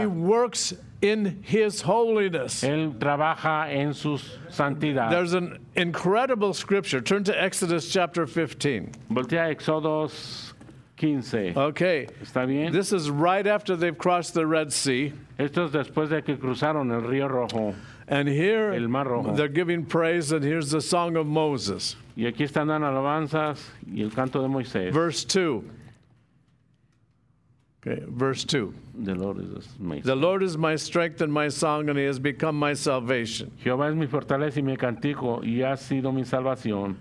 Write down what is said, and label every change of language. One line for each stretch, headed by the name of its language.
English: He works in his holiness
Spanish: él trabaja en su santidad.
English: There's an incredible scripture. Turn to Exodus chapter 15.
Spanish: Voltea a Exodus 15.
English: Okay.
Spanish: ¿Está bien?
English: This is right after they've crossed the Red Sea.
Spanish: Esto es después de que cruzaron el río Rojo.
English: And here
Spanish: el Mar Rojo.
English: They're giving praise and here's the song of Moses.
Spanish: Y aquí están dando alabanzas y el canto de Moisés.
English: Verse 2. Okay, verse 2. The Lord is my strength and my song, and he has become my salvation.
Spanish: Jehová es mi fortaleza y mi cantico, y ha sido mi salvación.